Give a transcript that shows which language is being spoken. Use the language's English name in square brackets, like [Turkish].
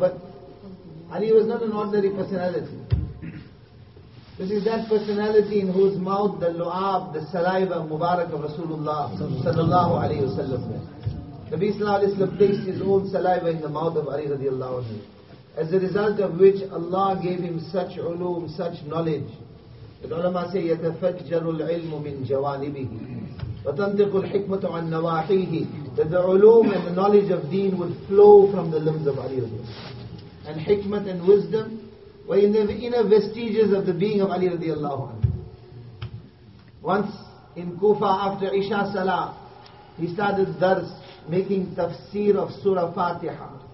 [English] But Ali was not an ordinary personality. This is that personality in whose mouth the lu'ab, the saliva, mubarak of Rasulullah sallallahu alayhi wa sallam. Nabi sallallahu alayhi wa sallam placed his own saliva in the mouth of Ali radiallahu anhu. As a result of which Allah gave him such ulum, such knowledge. The ulama say, [Arabic] يَتَفَجَّرُ الْعِلْمُ مِنْ جَوَانِبِهِ وَتَنْتِقُ الْحِكْمَةُ عَنْ نَوَاحِيهِ. [English] That the ulum and the knowledge of deen would flow from the limbs of Ali رضي الله عنه. And hikmat and wisdom were in the inner vestiges of the being of Ali رضي الله عنه. Once in Kufa after Isha Salah, he started dars, making tafsir of Surah Fatiha.